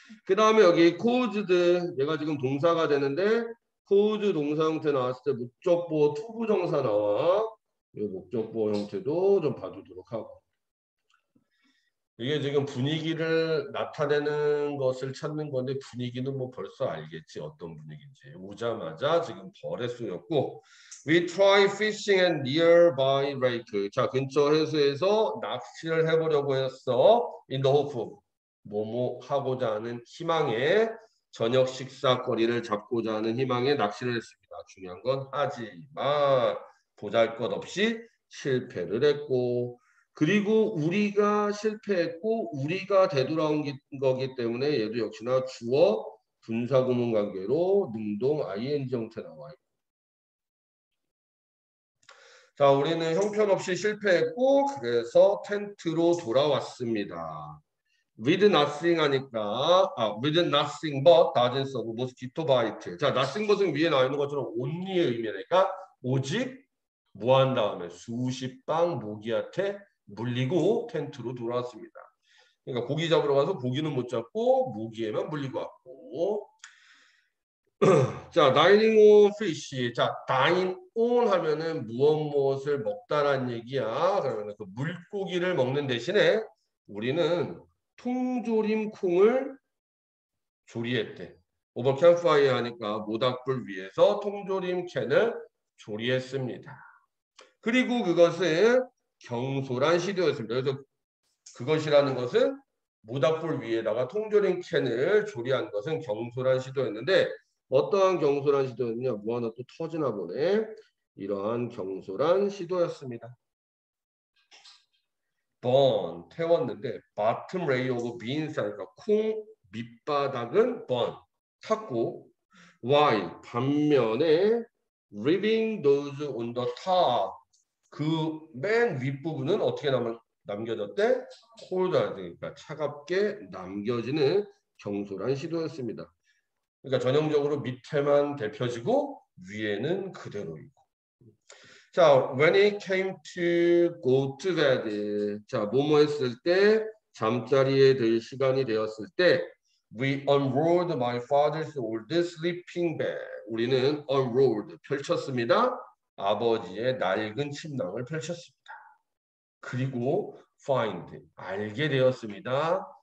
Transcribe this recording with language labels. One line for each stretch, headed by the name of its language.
Korean: 그 다음에 여기 caused 얘가 지금 동사가 되는데 caused 동사 형태 나왔을 때 목적보 to 부정사 나와. 이 목적보 형태도 좀 봐주도록 하고. 이게 지금 분위기를 나타내는 것을 찾는 건데 분위기는 뭐 벌써 알겠지 어떤 분위기인지. 오자마자 지금 벌에 쏘였고
English: We try fishing at nearby lake.
Korean: 자, 근처 해수에서 낚시를 해보려고 했어.
English: In the hope of.
Korean: 뭐뭐 하고자 하는 희망에 저녁 식사 거리를 잡고자 하는 희망에 낚시를 했습니다. 중요한 건 하지만 보잘것없이 실패를 했고 그리고 우리가 실패했고 우리가 되돌아온 거기 때문에 얘도 역시나 주어 분사구문 관계로 능동 ing 형태 나와요. 자, 우리는 형편없이 실패했고 그래서 텐트로 돌아왔습니다.
English: With nothing
Korean: 하니까 아,
English: with nothing but dozens of mosquito bites.
Korean: 자, nothing but은 위에 나와 있는 것처럼 only의 의미라니까 오직 무한 다음에 수십 방 모기한테 물리고 텐트로 돌아왔습니다. 그러니까 고기 잡으러 가서 고기는 못 잡고 모기에만 물리고 왔고.
English: 자, dining on fish.
Korean: 자, dine on 하면은 무엇무엇을 먹다란 얘기야. 그러면 그 물고기를 먹는 대신에 우리는 통조림 콩을 조리했대.
English: Over campfire
Korean: 하니까 모닥불 위에서 통조림 캔을 조리했습니다. 그리고 그것은 경솔한 시도였습니다. 그래서 그것이라는 것은 모닥불 위에다가 통조림 캔을 조리한 것은 경솔한 시도였는데 어떠한 경솔한 시도였냐? 뭐 하나 또 터지나 보네. 이러한 경솔한 시도였습니다. burn 태웠는데
English: bottom ray of beans
Korean: 하니까 콩 밑바닥은 burn 탔고 while 반면에
English: leaving those on the top
Korean: 그맨 윗부분은 어떻게 남겨졌대? cold 하니까 차갑게 남겨지는 경솔한 시도였습니다. 그러니까 전형적으로 밑에만 데펴지고 위에는 그대로 있고.
English: 자, when he came to go to bed.
Korean: 자, 뭐뭐 했을 때, 잠자리에 들 시간이 되었을 때,
English: we unrolled my father's old sleeping bag.
Korean: 우리는 unrolled, 펼쳤습니다. 아버지의 낡은 침낭을 펼쳤습니다. 그리고 find, 알게 되었습니다.